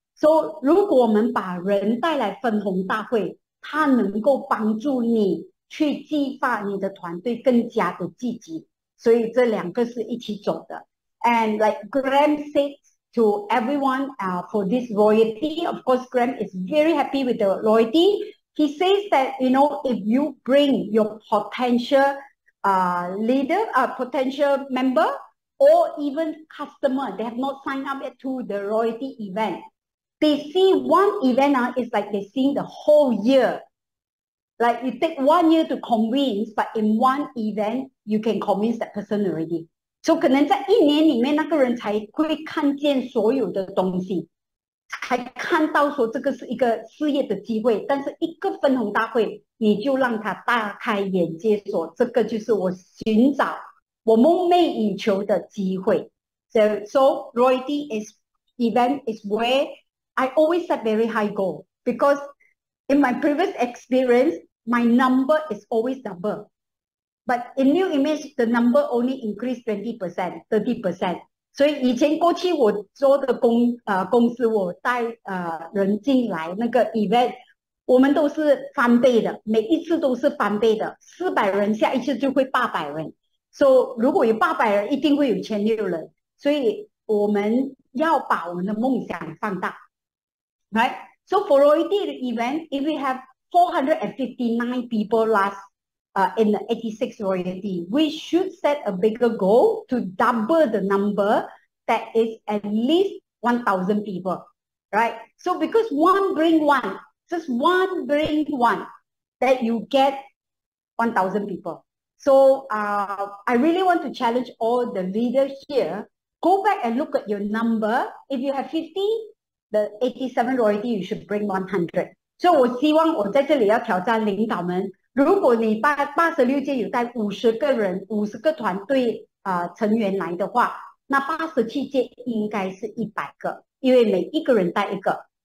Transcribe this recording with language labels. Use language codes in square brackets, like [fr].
[zh] So, 如果我们把人带来分红大会，它能够帮助你去激发你的团队更加的积极。所以这两个是一起走的. [en] And like Graham said to everyone, for this royalty, of course, Graham is very happy with the royalty. He says that, you know, if you bring your potential leader, potential member, or even customer, they have not signed up yet to the royalty event. They see one event, it's like they're seeing the whole year. Like you take 1 year to convince, but in one event, you can convince that person already. [zh] So 可能在一年里面那个人才会看见所有的东西，才看到说这个是一个事业的机会，但是一个分红大会，你就让他大开眼界说这个就是我寻找。 [en] So royalty is event is where I always set very high goal, because in my previous experience, my number is always double. But in new image, the number only increased 20%, 30%. [zh] So 以前过去我做的公司我带人进来那个 event, 我们都是翻倍的，每一次都是翻倍的， 400人 下一次就会 800人。 So, 如果有800人，一定会有1600人。所以我们要把我们的梦想放大。 [en] Right? So, for royalty event, if we have 459 people last in the 86 royalty. We should set a bigger goal to double the number that is at least 1,000 people, right? So because one bring one, just one bring one, that you get 1,000 people. So I really want to challenge all the leaders here. Go back and look at your number. If you have 50, the 87 royalty, you should bring 100. [zh] So 我希望我在这里要挑战领导们, 如果你86间, 有带50个人, 50个团队, 成员来的话, 那87间, 应该是100个, 因为每一个人带一个.